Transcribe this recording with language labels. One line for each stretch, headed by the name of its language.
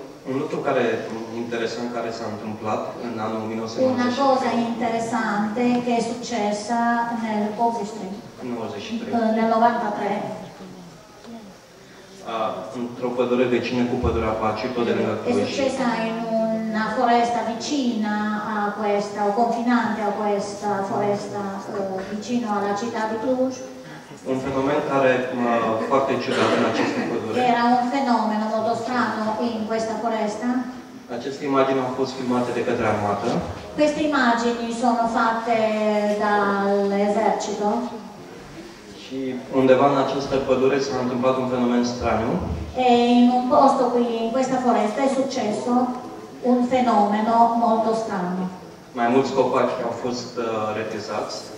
Romanian: Un lucru care interesant care s-a întâmplat în anul 1993.
Italian: Una cosa interessante che è successa nel 93.
Romanian: Într-o pădure vecină cu pădurea Pacii, tot de lângă Cluj.
Italian: È successa in una foresta vicina a questa, o confinante a questa foresta, vicino alla città di Cluj.
Romanian: Un fenomen care foarte ciudat în această pădure.
Italian: Era un fenomeno molto strano in questa foresta.
Romanian: Aceste imagini au fost filmate de către armată.
Italian: Queste immagini sono fatte dall'esercito.
Romanian: Și undeva în această pădure s-a întâmplat un fenomen straniu.
Italian: E in un posto qui in questa foresta è successo un fenomeno molto strano.
Romanian: Mai mulți copaci au fost retezați.